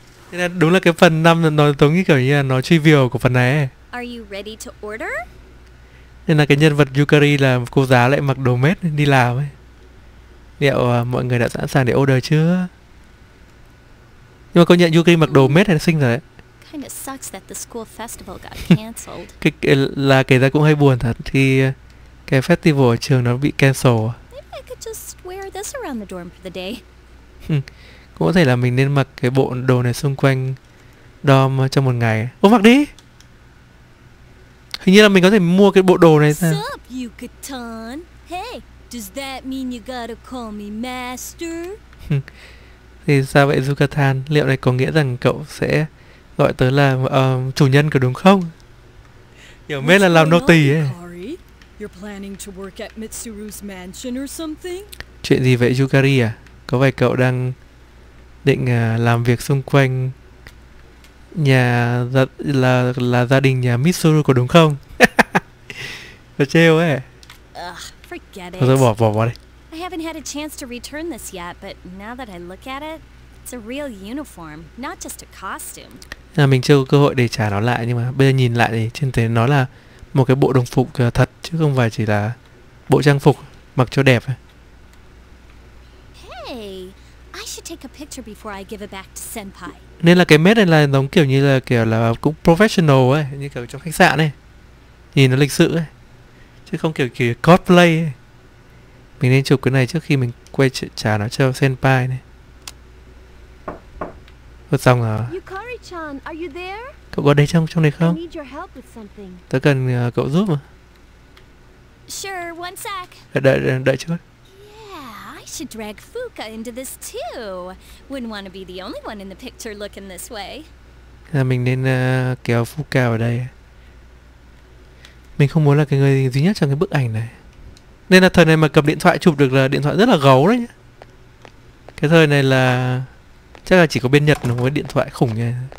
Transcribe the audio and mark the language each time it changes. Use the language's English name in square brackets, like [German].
[Vietnamese] Nên là đúng là cái phần 5 nó giống như kiểu như là nó trivial của phần này. [English] Are you ready to order? [Vietnamese] Nên là cái nhân vật Yukari là cô giáo lại mặc đồ mết đi làm ấy. Liệu mọi người đã sẵn sàng để order chưa? Nhưng mà công nhận Yukari mặc đồ mết này là xinh rồi đấy. [English] Kind of sucks that the school festival got canceled. [Vietnamese] Là kể ra cũng hơi buồn thật khi cái festival ở trường nó bị cancel. [English] Maybe I could just wear this around the dorm for the day. [Vietnamese] Cũng có thể là mình nên mặc cái bộ đồ này xung quanh dorm trong một ngày. Ô mặc đi. Hình như là mình có thể mua cái bộ đồ này ra. [English] Sup, Yucatan. Hey, does that mean you gotta call me master? [Vietnamese] Thì sao vậy, Yucatan? Liệu này có nghĩa rằng cậu sẽ gọi tớ là chủ nhân cả đúng không? Hiểu mết là làm nô tỳ ấy. [English] You're planning to work at Mitsuru's mansion or something? [Vietnamese] Chuyện gì vậy Yukari à? Có vẻ cậu đang định làm việc xung quanh nhà là gia đình nhà Mitsuru có đúng không? Nó trêu ấy. [English] Forget [Vietnamese] it. Thôi bỏ đi. [English] I haven't had a chance to return this yet, but now that I look at it, it's a real uniform, not just a costume. [Vietnamese] À, mình chưa có cơ hội để trả nó lại, nhưng mà bây giờ nhìn lại thì trên thế nó là một cái bộ đồng phục thật chứ không phải chỉ là bộ trang phục mặc cho đẹp. [English] Hey, I should take a picture before I give it back to senpai. [Vietnamese] Nên là cái mết này là giống kiểu như là cũng professional ấy, như kiểu trong khách sạn ấy. Nhìn nó lịch sự ấy. Chứ không kiểu cosplay ấy. Mình nên chụp cái này trước khi mình quay trả nó cho senpai này. Vừa xong rồi. [English] Yukari-chan, are you there? [Vietnamese] Cậu có đây trong này không? [English] I need your help with something. [Vietnamese] Tớ cần cậu giúp mà. [English] Sure, one sec. [Vietnamese] Đợi chút. [English] Yeah, I should drag Fuka into this too. Wouldn't want to be the only one in the picture looking this way. [Vietnamese] Mình nên kéo Fuka vào đây. Mình không muốn là cái người duy nhất trong cái bức ảnh này. Nên là thời này mà cầm điện thoại chụp được là điện thoại rất là gấu đấy nhá. Cái thời này là chắc là chỉ có bên Nhật nó mới điện thoại khủng như thế.